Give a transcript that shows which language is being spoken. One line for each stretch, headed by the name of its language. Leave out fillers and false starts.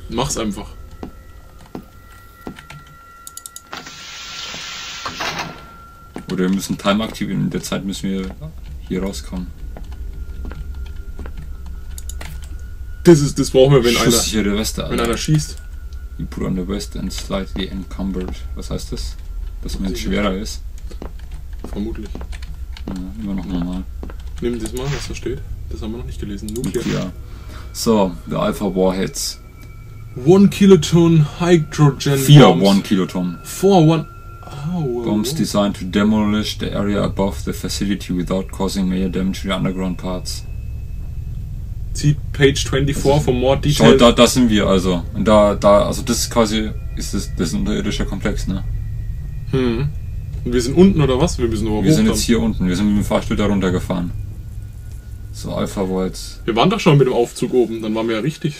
German: Mach's einfach. Oder wir müssen Time aktivieren. In der Zeit müssen wir hier rauskommen. Das brauchen wir, wenn einer. Schusssichere Weste, Alter. Wenn einer schießt.
English: You put on the vest and slightly encumbered.
German: Was heißt das? Dass man schwerer ist. Vermutlich. Ja, immer noch normal. Nimm das mal, was da steht. Das haben wir noch nicht gelesen. Nuklear.
English: So, the Alpha Warheads. 1 kiloton hydrogen. 4 1 kiloton. 4 1. Oh, bombs designed to demolish the area above the facility without causing major damage to the underground parts.
German: Zieht
English: page 24 for more details.
German: Schau, da sind wir also. Und da, also das ist quasi. Das ist ein unterirdischer Komplex, ne? Und wir sind unten oder was? Wir müssen nur hoch. Wir sind jetzt hier unten. Wir sind mit dem Fahrstuhl da runtergefahren.
English: So, Alpha Voids.
German: Wir waren doch schon mit dem Aufzug oben. Dann waren wir ja richtig.